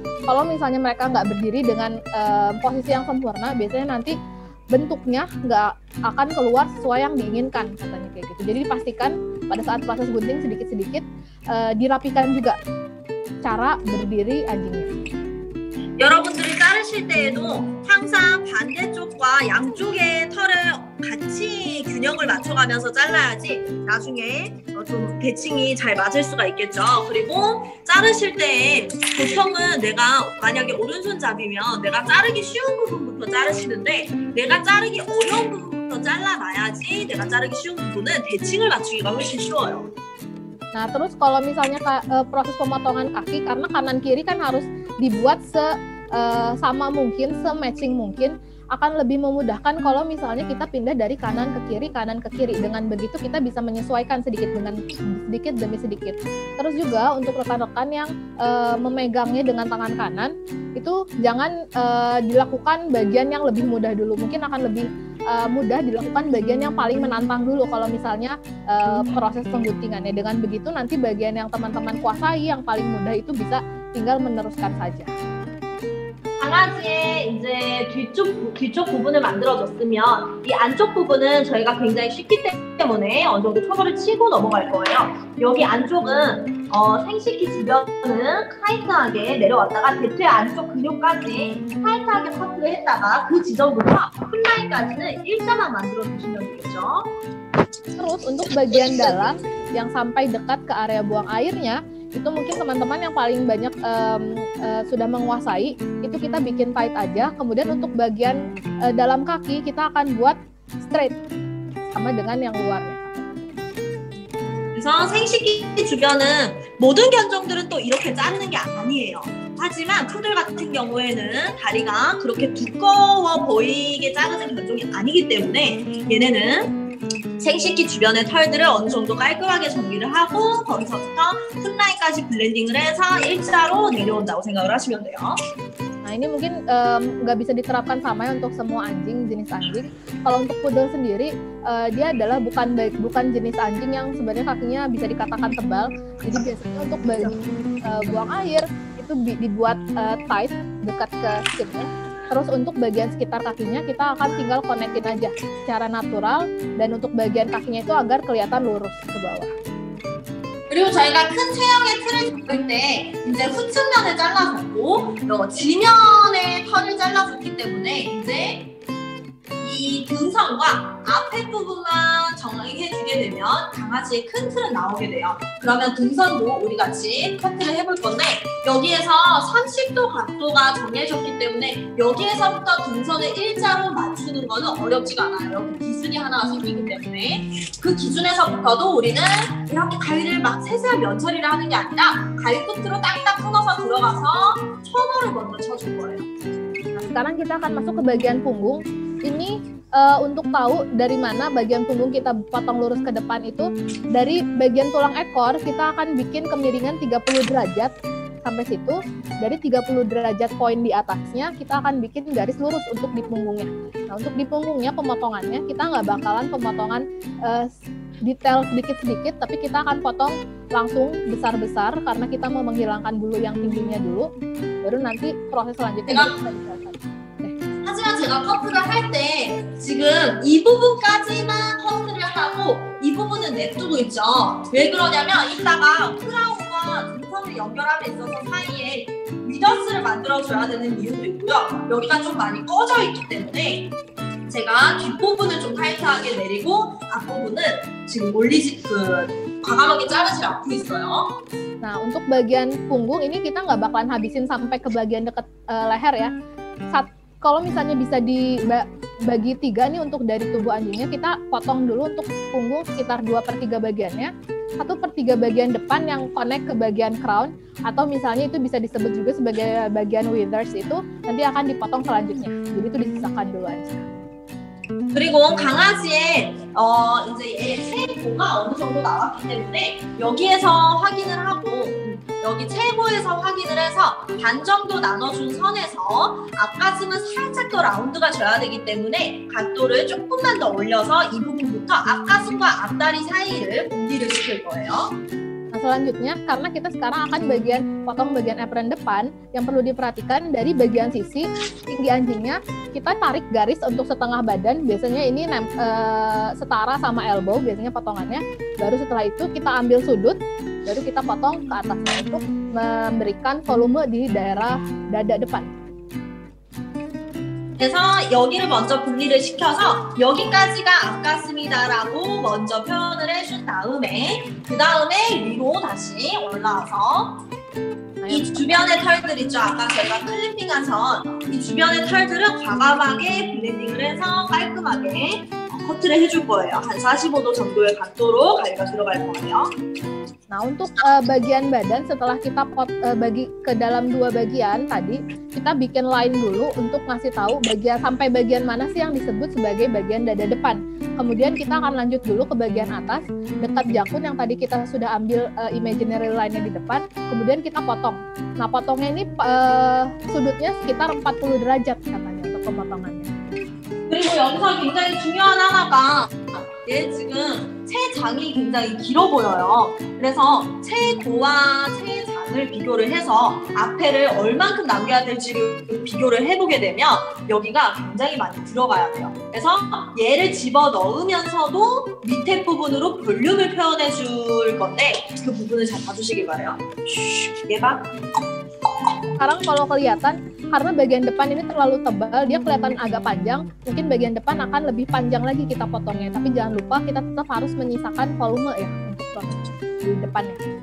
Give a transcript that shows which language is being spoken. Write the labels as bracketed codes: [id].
[id] Kalau misalnya mereka nggak berdiri dengan posisi yang sempurna, biasanya nanti bentuknya nggak akan keluar sesuai yang diinginkan, katanya kayak gitu. Jadi pastikan pada saat proses gunting sedikit-sedikit dirapikan juga cara berdiri anjingnya. [ko] 여러분들이 자르실 때에도 항상 반대쪽과 양쪽의 털을 같이 균형을 맞춰가면서 잘라야지 나중에 좀 대칭이 잘 맞을 수가 있겠죠. 그리고 자르실 때 보통은 내가 만약에 오른손잡이면 내가 자르기 쉬운 부분부터 자르시는데 내가 자르기 어려운 부분부터 잘라놔야지 내가 자르기 쉬운 부분은 대칭을 맞추기가 훨씬 쉬워요. [id] Nah, terus kalau misalnya proses pemotongan kaki, karena kanan-kiri kan harus dibuat sama mungkin, se-matching mungkin, akan lebih memudahkan kalau misalnya kita pindah dari kanan ke kiri. Dengan begitu kita bisa menyesuaikan sedikit demi sedikit. Terus juga untuk rekan-rekan yang memegangnya dengan tangan kanan, itu jangan dilakukan bagian yang lebih mudah dulu. Mungkin akan lebih mudah dilakukan bagian yang paling menantang dulu kalau misalnya proses pengguntingannya. Dengan begitu nanti bagian yang teman-teman kuasai yang paling mudah itu bisa tinggal meneruskan saja. [ko] 강아지의 이제 뒤쪽 부분을 만들어줬으면 이 안쪽 부분은 저희가 굉장히 쉽기 때문에 어느 정도 초벌을 치고 넘어갈 거예요. 여기 안쪽은 생식기 주변은 타이트하게 내려왔다가 대퇴 안쪽 근육까지 타이트하게 커트를 했다가 그 지점부터 끝라인까지는 일자만 만들어주시면 되겠죠. [id] Terus untuk bagian dalam yang sampai dekat ke area buang airnya itu mungkin teman-teman yang paling banyak sudah menguasai, itu kita bikin tight aja. Kemudian untuk bagian dalam kaki kita akan buat straight sama dengan yang luarnya. [ko] 그래서 생식기 주변은 모든 견종들은 또 이렇게 자르는 게 아니에요. 하지만 푸들 같은 경우에는 다리가 그렇게 두꺼워 보이게 자르는 견종이 아니기 때문에 얘네는 생식기 주변의 털들을 어느 정도 깔끔하게 정리를 하고 거기서부터 훗라인까지 블렌딩을 해서 일자로 내려온다고 생각을 하시면 돼요. [id] Nah, ini mungkin nggak bisa diterapkan sama ya untuk semua anjing, jenis anjing. Kalau untuk poodle sendiri, dia adalah bukan jenis anjing yang sebenarnya kakinya bisa dikatakan tebal. Jadi biasanya untuk buang air itu dibuat tight dekat ke skinnya. Terus untuk bagian sekitar kakinya kita akan tinggal konekin aja secara natural dan untuk bagian kakinya itu agar kelihatan lurus ke bawah. [ko] 그리고 저희가 큰 체형의 틀을 잡을 때 이제 후측면을 잘라줬고 지면의 털을 잘라줬기 때문에 이제 이 이 등선과 앞에 부분만 정해주게 되면 강아지의 큰 틀은 나오게 돼요. 그러면 등선도 우리 같이 커트를 해볼 건데 여기에서 30도 각도가 정해졌기 때문에 여기에서부터 등선을 일자로 맞추는 거는 어렵지가 않아요. 이렇게 기준이 하나 생기기 때문에 그 기준에서부터도 우리는 이렇게 가위를 막 세세한 면처리를 하는 게 아니라 가위 끝으로 딱딱 끊어서 들어가서 초벌을 먼저 쳐줄 거예요. [id] Sekarang kita akan masuk ke bagian punggung. Ini untuk tahu dari mana bagian punggung kita potong lurus ke depan itu, dari bagian tulang ekor kita akan bikin kemiringan 30 derajat sampai situ. Dari 30 derajat poin di atasnya, kita akan bikin garis lurus untuk di punggungnya. Nah, untuk di punggungnya pemotongannya, kita nggak bakalan pemotongan detail sedikit-sedikit, tapi kita akan potong langsung besar-besar karena kita mau menghilangkan bulu yang tingginya dulu. Baru nanti proses selanjutnya. Tidak. [ko] 제가 커트를 할 때 지금 이 부분까지만 커트를 하고 이 부분은 냅두고 있죠. 왜 그러냐면 이따가 크라운과 등선을 연결함에 있어서 사이에 위더스를 만들어줘야 되는 이유도 있고요. 여기가 좀 많이 꺼져 있기 때문에 제가 뒷부분을 좀 타이트하게 내리고 앞부분은 지금 올리지 그 과감하게 자르지 않고 있어요. [id] Nah, untuk bagian punggung ini kita nggak bakalan habisin sampai ke bagian dekat leher ya. Kalau misalnya bisa dibagi tiga nih untuk dari tubuh anjingnya, kita potong dulu untuk punggung sekitar 2/3 bagiannya. 1/3 bagian depan yang connect ke bagian crown, atau misalnya itu bisa disebut juga sebagai bagian withers, itu nanti akan dipotong selanjutnya. Jadi itu disisakan dulu aja. [ko] 그리고 강아지의 이제 얘 체고가 어느 정도 나왔기 때문에 여기에서 확인을 하고 여기 체고에서 확인을 해서 반 정도 나눠준 선에서 앞가슴은 살짝 더 라운드가 줘야 되기 때문에 각도를 조금만 더 올려서 이 부분부터 앞가슴과 앞다리 사이를 분리를 시킬 거예요. [id] Selanjutnya, karena kita sekarang akan bagian potong bagian apron depan, yang perlu diperhatikan dari bagian sisi tinggi anjingnya, kita tarik garis untuk setengah badan, biasanya ini setara sama elbow, biasanya potongannya. Baru setelah itu kita ambil sudut, baru kita potong ke atasnya untuk memberikan volume di daerah dada depan. [ko] 그래서 여기를 먼저 분리를 시켜서 여기까지가 앞가슴이다라고 먼저 표현을 해준 다음에 그 다음에 위로 다시 올라와서 이 주변의 털들 있죠? 아까 제가 클리핑한 선 이 주변의 털들을 과감하게 블렌딩을 해서 깔끔하게 커트를 해줄 거예요. 한 45도 정도의 각도로 가위가 들어갈 거예요. [id] Nah, untuk bagian badan setelah kita bagi ke dalam dua bagian tadi, kita bikin line dulu untuk ngasih tahu bagian sampai bagian mana sih yang disebut sebagai bagian dada depan. Kemudian kita akan lanjut dulu ke bagian atas, dekat jakun yang tadi kita sudah ambil imaginary line-nya di depan, kemudian kita potong. Nah, potongnya ini sudutnya sekitar 40 derajat katanya untuk pemotongannya. [ko] 그리고 여기서 굉장히 중요한 하나가 얘 지금 체장이 굉장히 길어 보여요. 그래서 체고와 체장을 비교를 해서 앞에를 얼만큼 남겨야 될지 비교를 해보게 되면 여기가 굉장히 많이 들어가야 돼요. 그래서 얘를 집어넣으면서도 밑에 부분으로 볼륨을 표현해 줄 건데 그 부분을 잘 봐주시길 바래요. 얘가 [id] Sekarang kalau kelihatan, karena bagian depan ini terlalu tebal, dia kelihatan agak panjang. Mungkin bagian depan akan lebih panjang lagi kita potongnya. Tapi jangan lupa, kita tetap harus menyisakan volume ya untuk di depannya.